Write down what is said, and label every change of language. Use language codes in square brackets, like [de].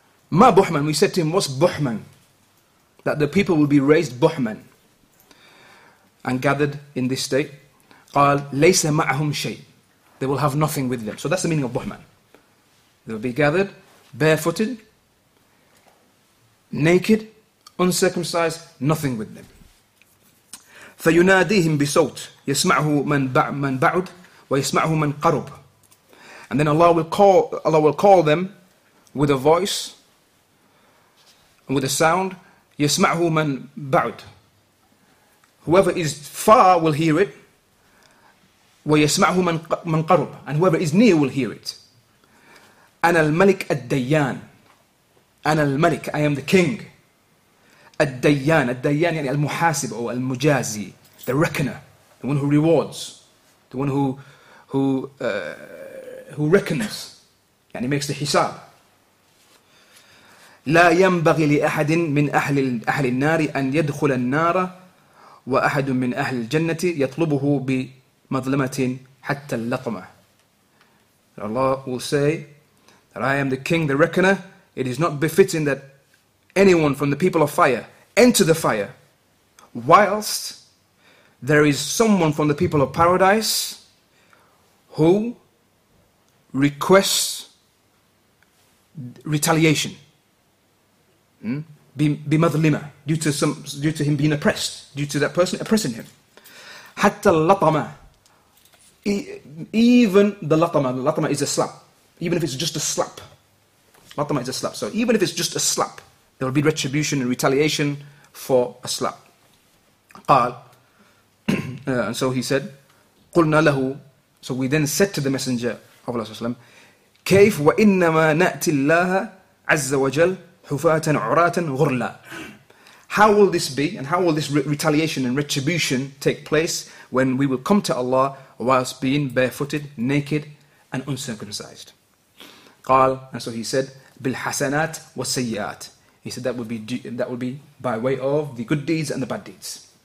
[en] Ma buhman, we said to him, what's buhman? That the people will be raised buhman and gathered in this state. [ar] قال ليس معهم شيء. [en] They will have nothing with them. So that's the meaning of buhman. They will be gathered barefooted, naked, uncircumcised, nothing with them. [ar] فيناديهم بصوت يسمعه من بعد ويسمعه من قرب. [en] And then Allah will call them with a voice and with a sound. [ar] يسمعه من بعد. [en] Whoever is far will hear it. [ar] وَيَسْمَعْهُ مَنْ قَرُبْ. [en] And whoever is near will hear it. [ar] أَنَا الْمَلِكَ الدَّيَّانِ. أَنَا الْمَلِكَ, [en] I am the king. الدَّيَّانِ, [ar] الدَّيَّانِ يعني المحاسب أو المجازي, [en] the reckoner, the one who rewards, the one who reckons, يعني makes the حساب. [ar] لَا يَنْبَغِي لِأَحَدٍ مِنْ أَحْلِ النَّارِ أَنْ يَدْخُلَ النَّارَ وأحد من أهل الجنة يطلبه بمظلمة حتى اللقمة. [en] Allah will say that I am the king, the reckoner. It is not befitting that anyone from the people of fire enter the fire whilst there is someone from the people of paradise who requests retaliation, بمظلمة, due to some, due to him being oppressed, due to that person oppressing him. [ar] حتى اللطمة, [en] even the لطمة, اللطمة is a slap. Even if it's just a slap, لطمة is a slap. So even if it's just a slap, there will be retribution and retaliation for a slap. قال, and so he said, [ar] قلنا له. [en] So we then said to the Messenger of Allah [ar] صلى الله عليه وسلم, كيف وإنما نأتي الله عز وجل حفاتاً عراتاً غرلا. [en] How will this be, and how will this retaliation and retribution take place when we will come to Allah whilst being barefooted, naked, and uncircumcised? قال, and so he said, [ar] بالحسنات والسيئات. [en] He said that will be by way of the good deeds and the bad deeds.